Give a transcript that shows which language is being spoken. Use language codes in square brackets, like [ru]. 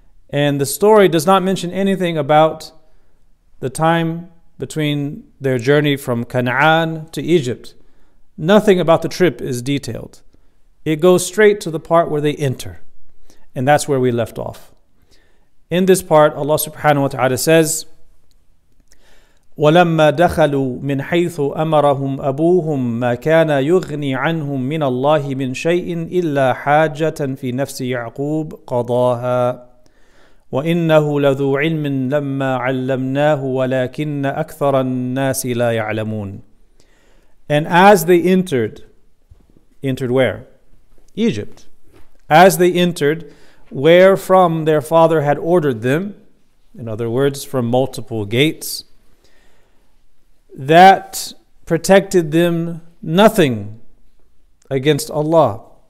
[en] And the story does not mention anything about the time between their journey from Canaan to Egypt. Nothing about the trip is detailed. It goes straight to the part where they enter. And that's where we left off. In this part, Allah subhanahu wa ta'ala says, [ar] وَلَمَّا دَخَلُوا مِنْ حَيْثُ أَمَرَهُمْ أَبُوهُمْ مَا كَانَ يُغْنِي عَنْهُمْ مِنَ اللَّهِ مِنْ شَيْءٍ إِلَّا حَاجَةً فِي نَفْسِ يَعْقُوبُ قَضَاهَا وَإِنَّهُ لَذُو عِلْمٍ لَمَّا عَلَّمْنَاهُ وَلَكِنَّ أَكْثَرَ النَّاسِ لَا يَعْلَمُونَ. [en] And as they entered where? Egypt. As they entered where from their father had ordered them, in other words, from multiple gates, that protected them nothing against Allah.